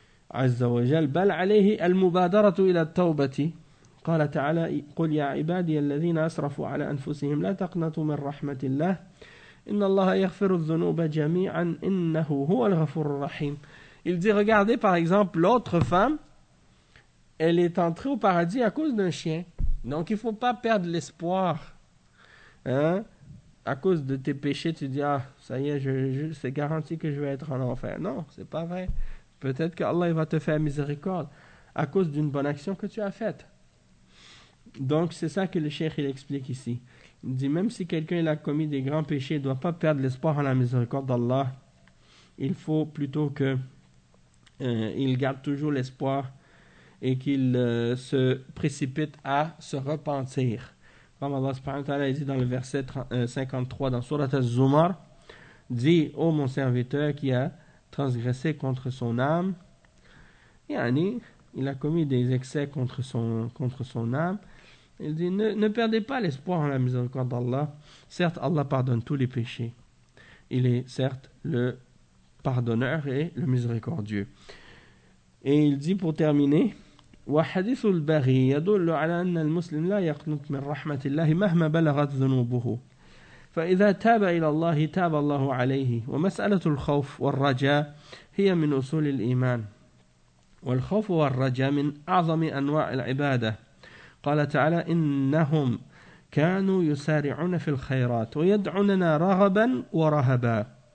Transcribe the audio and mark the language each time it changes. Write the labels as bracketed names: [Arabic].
[Arabic] عز وجل بل عليه المبادرة إلى التوبة قال تعالى قل يا عبادي الذين أسرفوا على أنفسهم لا تقنطوا من رحمة الله إن الله يغفر الذنوب جميعا إنه هو الغفور الرحيم [French] Il dit, regardez par exemple l'autre femme, elle est entrée au paradis à cause d'un chien. Donc il ne faut pas perdre l'espoir. Hein? À cause de tes péchés, tu dis, ah, ça y est, c'est garanti que je vais être en enfer. Non, ce n'est pas vrai. Peut-être qu'Allah va te faire miséricorde à cause d'une bonne action que tu as faite. Donc c'est ça que le cheikh il explique ici. Il dit, même si quelqu'un il a commis des grands péchés, il ne doit pas perdre l'espoir en la miséricorde d'Allah. Il faut plutôt que. Il garde toujours l'espoir et qu'il se précipite à se repentir. Comme Allah subhanahu wa ta'ala dit dans le verset 53 dans Surat Az-Zumar, dit « Ô mon serviteur qui a transgressé contre son âme, yani, il a commis des excès contre son âme, il dit ne perdez pas l'espoir en la miséricorde d'Allah. Certes, Allah pardonne tous les péchés. Il est certes le pardonneur et le miséricordieux. Et il dit pour terminer, [Arabic] وَحَدِثُ الْبَغِي يَدُلُّ عَلَى أَنَّ الْمُسْلِمِ لَا يَقْنُطْ مِنْ رَحْمَةِ اللَّهِ مَهْمَ بَلَغَتْ ذُنُوبُهُ فَإِذَا تَابَ إِلَى اللَّهِ تَابَ اللَّهُ عَلَيْهِ وَمَسْأَلَةُ الْخَوْفِ وَالرَّجَاءِ هِيَ مِنْ أُصُولِ الْإِيمَانِ والخوف والرجاء من أعظم أنواع العبادة قال تعالى إنهم كانوا يسارعون في الخيرات ويدعوننا رغبا ورهبا